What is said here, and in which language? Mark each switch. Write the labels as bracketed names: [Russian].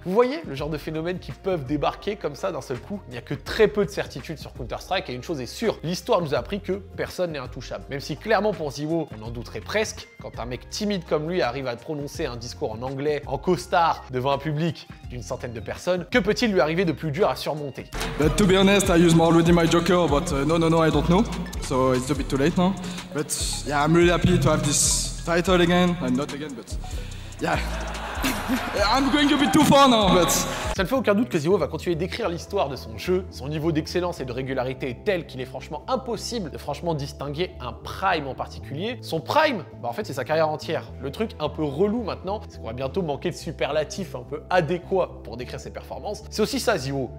[French] Vous voyez le genre de phénomène qui peuvent débarquer comme ça d'un seul coup. Il n'y a que très peu de certitudes sur Counter-Strike et une chose est sûre, l'histoire nous a appris que personne n'est intouchable. Même si clairement pour Zivo, on en douterait presque, quand un mec timide comme lui arrive à prononcer un discours en anglais, en costard, devant un public d'une centaine de personnes, que peut-il lui arriver de plus dur à surmonter ? [English] But to be honest, I use already my Joker, but no, I don't know. So it's a bit too late now. But yeah, I'm really happy to have this title again, and not again, but yeah. I'm going a bit too far now, but... [French] Ça ne fait aucun doute que Zivo va continuer d'écrire l'histoire de son jeu. Son niveau d'excellence et de régularité est tel qu'il est franchement impossible de franchement distinguer un prime en particulier. Son prime, bah en fait, c'est sa carrière entière. Le truc un peu relou maintenant, c'est qu'on va bientôt manquer de superlatifs un peu adéquats pour décrire ses performances. C'est aussi ça, Zivo.